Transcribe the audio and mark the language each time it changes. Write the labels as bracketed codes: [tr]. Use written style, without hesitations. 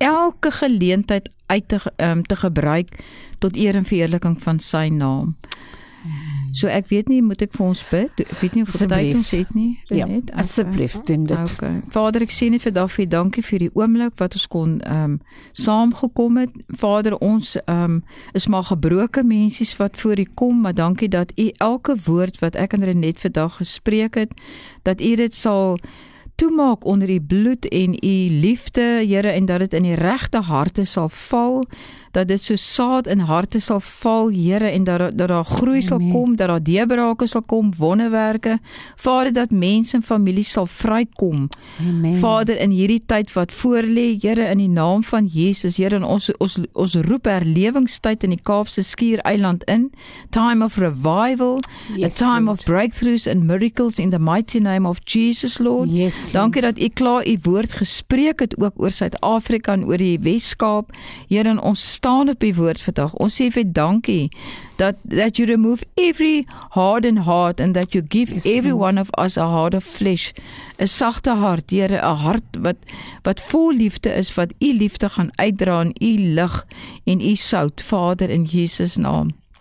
[af] Net elke geleentheid uit te gebruik tot eer en verheerliking van sy naam. So ek weet nie, moet ek vir ons bid? Ek weet nie of die tyd ons het nie. Ja, asseblief, doen dit. Okay. Vader, ek sê nie vir daar vir jy dankie vir die oomblik wat ons kon saamgekom het. Vader, ons is maar gebroken mensies wat voor u kom, maar dankie dat u elke woord wat ek en Renet vandag gespreek het, dat u dit sal toemaak onder die bloed en die liefde, Here, en dat het in die regte harte sal val, dat dit so saad in harte sal val, Here, en dat daar groei sal kom, dat daar deurbrake sal kom, wonderwerke. Vader, dat mense en families sal vrykom. Amen. Vader, in hierdie tyd wat voorlê, Here, in die naam van Jesus, Here, in ons roep herlewingstyd in die Kaapse Skiereiland in. [en] Time of revival, yes, a time Lord. Of breakthroughs and miracles in the mighty name of Jesus, Lord. Yes, [af] dankie dat u klaar u woord gespreek het ook oor Suid-Afrika en oor die Weskaap. Here, in ons staan op die woord vandag. Ons sê vir dankie [en] that you remove every hardened heart and that you give every one of us a heart of flesh. [af] A sagte hart, Here, a hart wat vol liefde is, wat u liefde gaan uitdra in u lig en u sout, Vader, in Jesus naam.